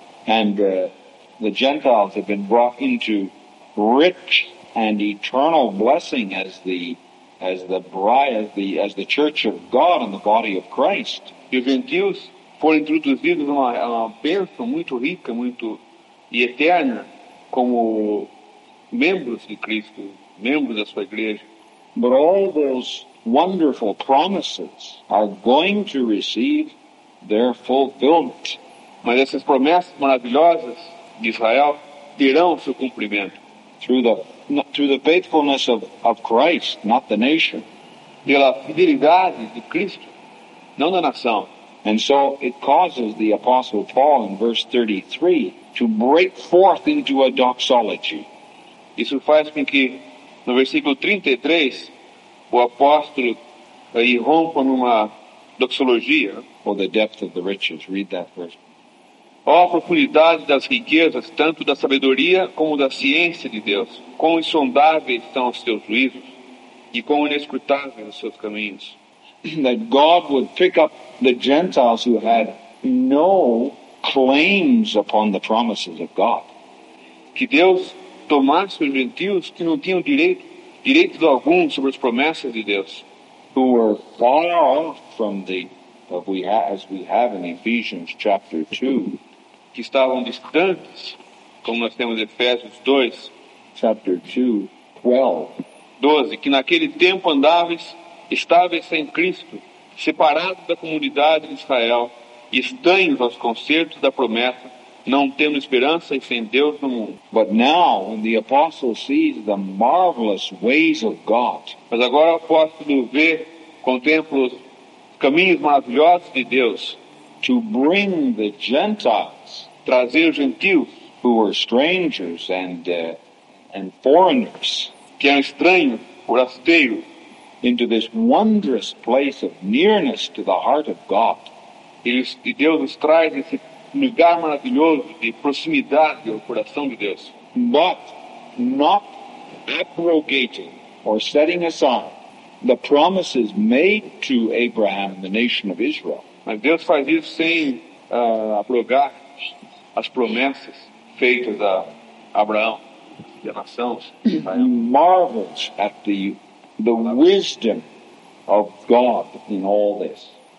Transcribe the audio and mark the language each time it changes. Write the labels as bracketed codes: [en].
[en] And the Gentiles have been brought into rich and eternal blessing as the bride, as the church of God and the body of Christ. [pt] E os gentios foram introduzidos uma bênção muito rica, muito e eterna como membros de Cristo, membros da sua igreja. [en] But all those wonderful promises are going to receive their fulfillment. [pt] Mas essas promessas maravilhosas de Israel terão seu cumprimento. [en] Through the faithfulness of Christ, not the nation. [pt] Pela fidelidade de Cristo, não da nação. [en] And so it causes the Apostle Paul in verse 33 to break forth into a doxology. [pt] Isso faz com que no versículo 33 o apóstolo irrompa numa doxologia. [en] Or the depth of the riches. Read that verse. [pt] Ó profundidade das riquezas, tanto da sabedoria como da ciência de Deus. Quão insondáveis estão os seus juízos e quão inescrutáveis os seus caminhos. [en] That God would pick up the Gentiles who had no claims upon the promises of God. [pt] Que Deus tomasse os gentios que não tinham direitos algum sobre as promessas de Deus. [en] Who were far off from the, as we have in Ephesians chapter 2. [pt] Que estavam distantes, como nós temos em Efésios 2. [en] Chapter 2, 12. [pt] 12, que naquele tempo andavas, estáveis sem Cristo, separados da comunidade de Israel, estranhos aos concertos da promessa, não tendo esperança e sem Deus no mundo. [en] But now, when the apostle sees the marvelous ways of God, [pt] mas agora o apóstolo vê, contempla os caminhos maravilhosos de Deus, [en] to bring the Gentiles, [pt] trazer os gentios, [en] who were strangers and foreigners, [pt] que eram estranhos, forasteiros, [en] into this wondrous place of nearness to the heart of God. [pt] E Deus nos traz esse lugar maravilhoso de proximidade ao coração de Deus. [en] But not abrogating or setting aside the promises made to Abraham and the nation of Israel. [pt] Mas Deus faz isso sem abrogar as promessas feitas a Abraão e a nação. [en] He marvels at the wisdom of God in all this.